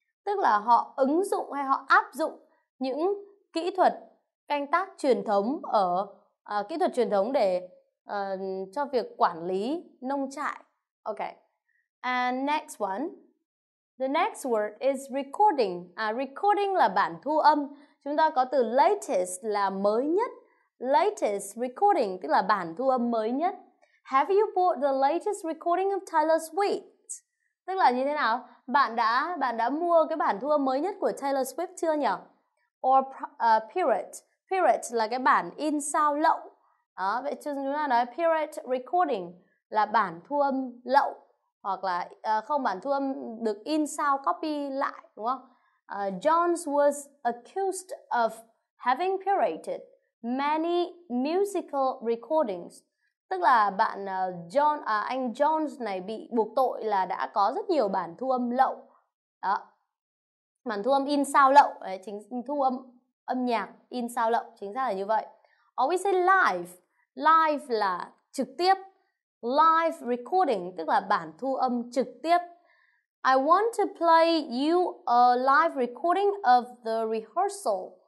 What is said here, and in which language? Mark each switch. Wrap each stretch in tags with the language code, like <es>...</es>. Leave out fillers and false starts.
<vi>Tức là họ ứng dụng hay họ áp dụng những kỹ thuật canh tác truyền thống để cho việc quản lý nông trại.</vi> <en>Okay. And next one. The next word is recording.</en> <vi>Recording là bản thu âm. Chúng ta có từ latest là mới nhất. Latest recording tức là bản thu âm mới nhất.</vi> <en>Have you bought the latest recording of Taylor Swift?</en> <vi>Tức là như thế nào? Bạn đã mua cái bản thu âm mới nhất của Taylor Swift chưa nhỉ? Or pirate. Pirate là cái bản in sao lậu. Đó, vậy chúng ta nói pirate recording là bản thu âm lậu. Hoặc là không, bản thu âm được in sao copy lại, đúng không?</vi> <en>Jones was accused of having pirated many musical recordings.</en> <vi>Tức là bạn anh Jones này bị buộc tội là đã có rất nhiều bản thu âm lậu. Đó. Bản thu âm in sao lậu, đấy, chính thu âm âm nhạc in sao lậu, chính xác là như vậy.</vi> <en>Or we say live.</en> <vi>Live là trực tiếp. Live recording tức là bản thu âm trực tiếp.</vi> <en>I want to play you a live recording of the rehearsal.</en>